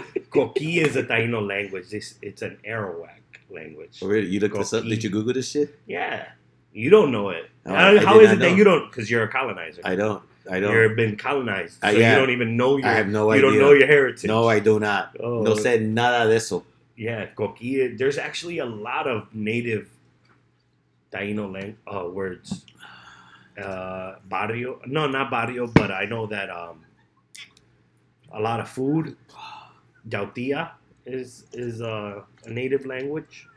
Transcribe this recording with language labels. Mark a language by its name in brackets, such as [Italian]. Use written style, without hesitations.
[English] Coqui is a Taino language. It's an Arawak language. Oh, really? You looked this up? Did you Google this shit? Yeah. You don't know it. How is it that you don't? Because you're a colonizer. I don't. You've been colonized. So you don't even know your I have no you idea. You don't know your heritage. No, I do not. Oh. [Spanish] No sé nada de eso. [English] Yeah, coquille. There's actually a lot of native Taino words. Barrio. No, not barrio, but I know that a lot of food. Yautía is a native language.